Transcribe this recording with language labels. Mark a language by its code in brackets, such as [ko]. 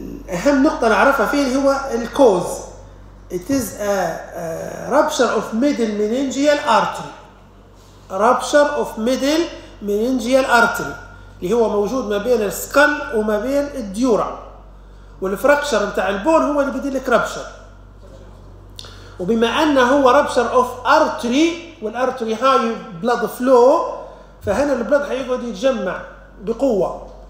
[ar] أهم نقطة نعرفها فيه هو الكوز. [en] It is a rupture of middle meningeal artery. Rupture of middle meningeal artery [ar] اللي هو موجود ما بين السكال وما بين الديورا. والفراكشر بتاع البون هو اللي بيدير لك رابشر. وبما أن هو [en] rupture of artery [ar] والارتري هاي blood flow، فهنا البلد هيقعد يتجمع بقوة.